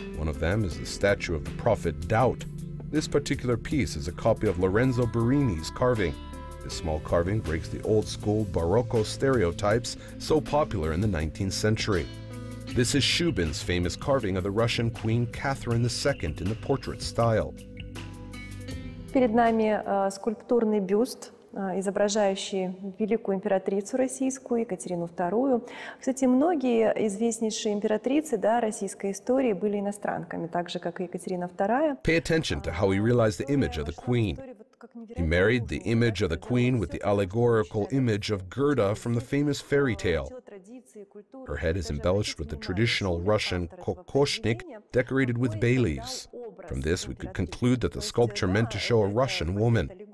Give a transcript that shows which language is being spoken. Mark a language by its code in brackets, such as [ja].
[en] One of them is the statue of the prophet Doubt. This particular piece is a copy of Lorenzo Burini's carving. This small carving breaks the old-school Barocco stereotypes so popular in the 19th century. This is Shubin's famous carving of the Russian Queen Catherine II in the portrait style. [ru] Перед нами скульптурный бюст. Изображающий великую императрицу российскую Екатерину II. Кстати, многие известнейшие императрицы, да, российской истории были иностранками, так же как и Екатерина II. [en] Pay attention to how he realized the image of the queen. He married the image of the queen with the allegorical image of Gerda from the famous fairy tale. Her head is embellished with the traditional Russian kokoshnik decorated with bay leaves. From this, we could conclude that the sculpture meant to show a Russian woman.